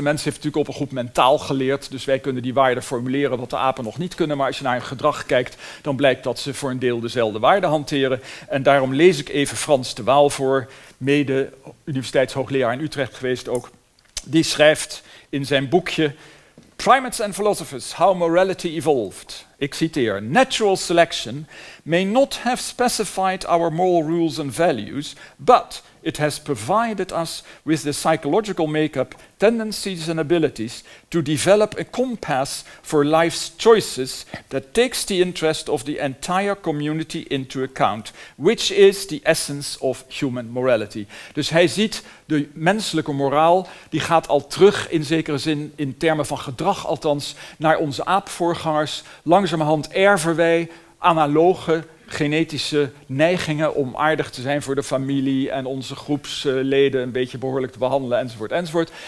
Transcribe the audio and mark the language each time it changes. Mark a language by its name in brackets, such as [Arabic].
[Dutch] De mens heeft natuurlijk op een goed mentaal geleerd, dus wij kunnen die waarden formuleren wat de apen nog niet kunnen, maar als je naar hun gedrag kijkt, dan blijkt dat ze voor een deel dezelfde waarden hanteren. En daarom lees ik even Frans de Waal voor, mede universiteitshoogleraar in Utrecht geweest ook. Die schrijft in zijn boekje Primates and Philosophers, How Morality Evolved. [English] Ik citeer: Natural selection may not have specified our moral rules and values, but it has provided us with the psychological makeup, tendencies and abilities to develop a compass for life's choices that takes the interest of the entire community into account, which is the essence of human morality. [Dutch] Dus hij ziet de menselijke moraal, die gaat al terug in zekere zin, in termen van gedrag althans, naar onze aapvoorgangers. Langzamerhand erven wij analoge genetische neigingen om aardig te zijn voor de familie en onze groepsleden een beetje behoorlijk te behandelen enzovoort enzovoort.